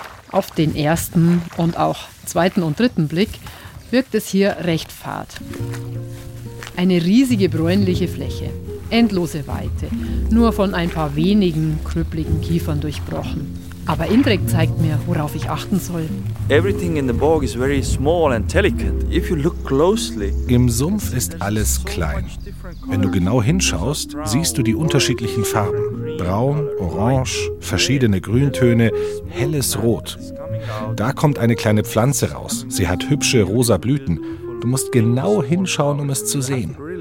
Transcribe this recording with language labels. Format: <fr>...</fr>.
<de>Auf den ersten und auch zweiten und dritten Blick wirkt es hier recht fad. Eine riesige bräunliche Fläche, endlose Weite, nur von ein paar wenigen krüppligen Kiefern durchbrochen. Aber Indrek zeigt mir, worauf ich achten soll.</de> <en>Everything in the bog is very small and delicate. If you look closely.</en> <de>Im Sumpf ist alles klein. Wenn du genau hinschaust, siehst du die unterschiedlichen Farben: Braun, Orange, verschiedene Grüntöne, helles Rot. Da kommt eine kleine Pflanze raus. Sie hat hübsche rosa Blüten. Du musst genau hinschauen, um es zu sehen.</de>